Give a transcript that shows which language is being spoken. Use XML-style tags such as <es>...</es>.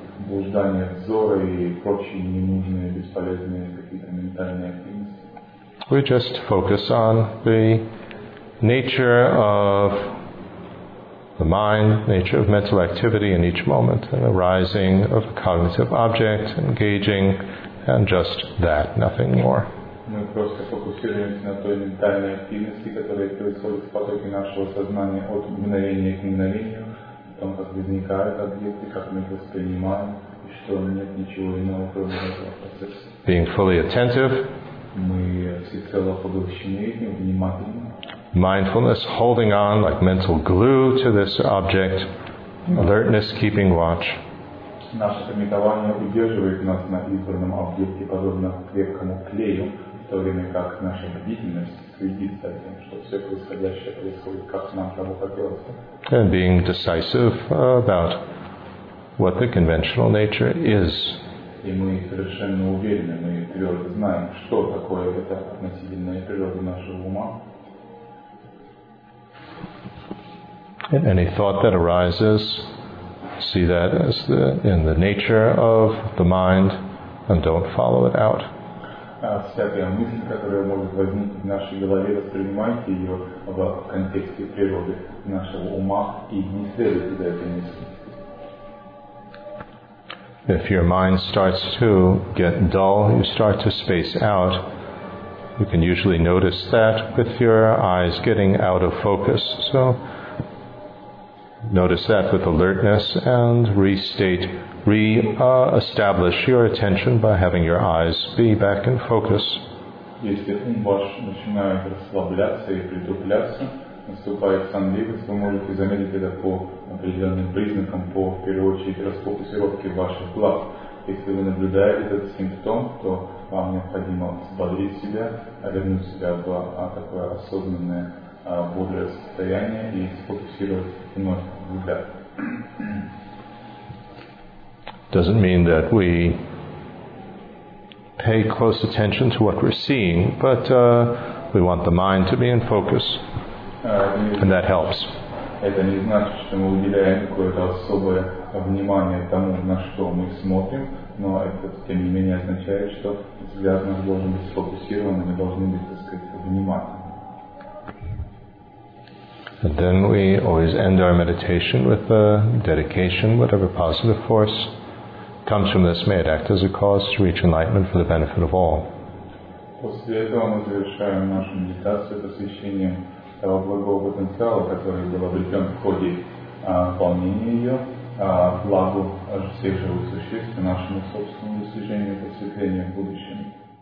<en>We just focus on the nature of the mind, nature of mental activity in each moment, and the rising of a cognitive object, engaging, and just that, nothing more.</en> <ru>Мы просто фокусируемся на той ментальной активности, которая происходит в потоке нашего сознания от мгновения к мгновению, о том, как возникают объекты, как мы их воспринимаем, и что нет ничего иного, кроме этого процесса.</ru> <en>Being fully attentive.</en> <ru>Мы всецело поглощены этим, внимательны.</ru> <en>Mindfulness holding on like mental glue to this object, alertness keeping watch.</en> <ru>Наше медитирование удерживает нас на избранном объекте, подобно крепкому клею, в то время как наша бдительность следит за тем, что все происходящее происходит, как нам того хотелось.</ru> <en>And being decisive about what the conventional nature is.</en> <ru>И мы совершенно уверены, мы твердо знаем, что такое это относительная природа нашего ума.</ru> <en>And any thought that arises, see that as the in the nature of the mind, and don't follow it out.</en> <ru>Всякая мысль, которая может возникнуть в нашей голове, воспринимайте ее в контексте природы нашего ума и не следуйте за этой мыслью.</ru> <en>If your mind starts to get dull, you start to space out. You can usually notice that with your eyes getting out of focus. So notice that with alertness and restate, re-establish your attention by having your eyes be back in focus.</en> <ru>Если ум ваш начинает расслабляться и притупляться, наступает сонливость, вы можете заметить это по определенным признакам, по, в первую очередь, расфокусировке ваших глаз. Если вы наблюдаете этот симптом, то вам необходимо взбодрить себя, вернуть себя в такое осознанное бодрое состояние и сфокусировать вновь взгляд.</ru> <en>doesn't mean that we pay close attention to what we're seeing, but we want the mind to be in focus, and that helps.</en> <ru>Это не значит, что мы уделяем какое-то особое внимание тому, на что мы смотрим, но это, тем не менее, означает, что взгляд наш должен быть сфокусирован, мы должны быть, так сказать, внимательны.</ru> <en>And then we always end our meditation with a dedication, whatever positive force comes from this, may it act as a cause to reach enlightenment for the benefit of all.</en> <ru>После этого мы завершаем нашу медитацию посвящением того благого потенциала, который был обретен в ходе выполнения ее, благу всех живых существ и нашему собственному достижению просветления в будущем.</ru>